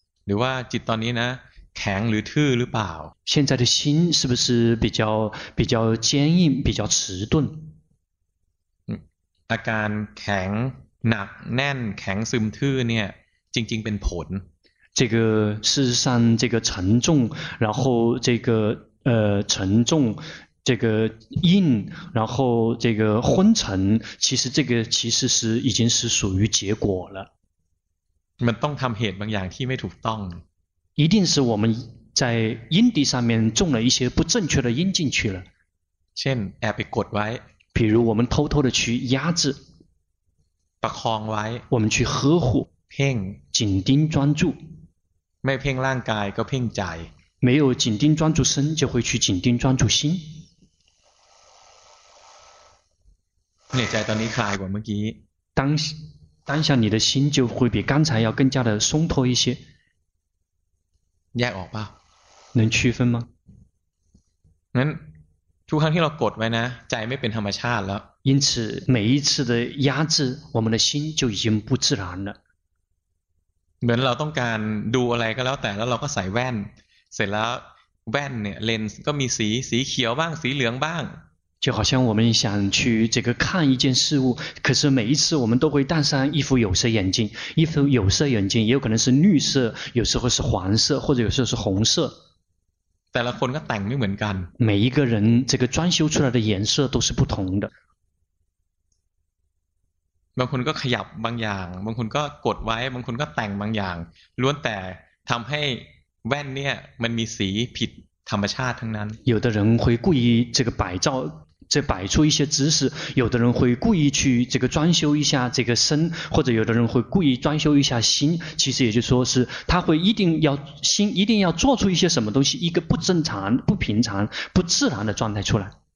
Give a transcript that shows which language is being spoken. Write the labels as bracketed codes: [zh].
[th] หรือว่าจิตตอนนี้นะแข็งหรือทื่อหรือเปล่า [zh] 现在的心是不是比较坚硬比较迟钝 [th] อาการแข็งหนักแน่นแข็งซึมทื่อเนี่ยจริงๆเป็นผล [zh] 这个事实上这个沉重然后这个沉重这个硬然后这个昏沉其实这个其实是已经是属于结果了 [th] มันต้องทําเหตุบางอย่างที่ไม่ถูกต้อง [zh] 一定是我们在因地上面种了一些不正确的因进去了 [th] เช่นแอบไปกดไว้ [zh] 比如我们偷偷的去压制 [th] ประคองไว้ [zh] 我们去呵护 [th] เพ่ง [zh] 紧盯专注 [th] ไม่เพ่งร่างกายก็เพ่งใจ [zh] 没有紧盯专注身就会去紧盯专注心 [th] เนี่ยใจตอนนี้คลายกว่าเมื่อกี้ [zh] 当下你的心就会比刚才要更加的松脱一些 [th] แยกออกป่ะ [zh] 能区分吗 [th] งั้นทุกครั้งที่เรากดไว้นะใจไม่เป็นธรรมชาติแล้ว [zh] 因此每一次的压制我们的心就已经不自然了 [th] เหมือนเราต้องการดูอะไรก็แล้วแต่แล้วเราก็ใส่แว่นเสร็จแล้วแว่นเนี่ยเลนส์ก็มีสีเขียวบ้างสีเหลืองบ้าง [zh] 就好像我们想去这个看一件事物可是每一次我们都会戴上一副有色眼镜一副有色眼镜也有可能是绿色有时候是黄色或者有时候是红色 [th] แต่ละคนก็แต่งไม่เหมือนกัน [zh] 每一个人这个装修出来的颜色都是不同的 [th] บางคนก็ขยับบางอย่างบางคนก็กดไว้บางคนก็แต่งบางอย่างล้วนแต่ทำให้แว่นเนี่ยมันมีสีผิดธรรมชาติทั้งนั้น [zh] 有的人会故意这个摆造这摆出一些姿势有的人会故意去这个装修一下这个身或者有的人会故意装修一下心其实也就是说是他会一定要心一定要做出一些什么东西一个不正常不平常不自然的状态出来